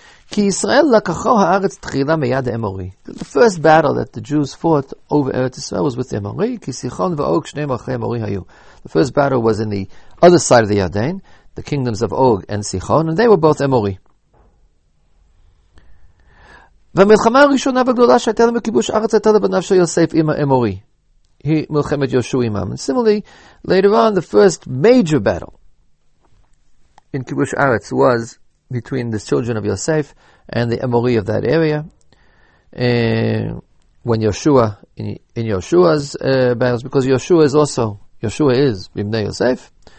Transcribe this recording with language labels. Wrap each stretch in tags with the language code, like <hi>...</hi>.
<he>Ki Yisrael lakacho ha'aretz t'chila miyad ha'emori.</he> <en>The first battle that the Jews fought over Eretz Yisrael was with the emori.</en> <he>Ki Sichon v'og shnei malchei emori hayu.</he> <en>The first battle was in the other side of the Yarden, the kingdoms of Og and Sichon, and they were both emori.</en> <he>והמלחמה הראשונה והגדולה שהייתה להם בכיבוש ארץ הייתה לבניו של יוסף עם האמורי. היא מלחמת יהושע עמם.</he> <en>And similarly, later on, the first major battle in כיבוש ארץ was between the children of Yosef and the Emori of that area. When in Yoshua's battles, because Yoshua is Bimnei Yosef.</en>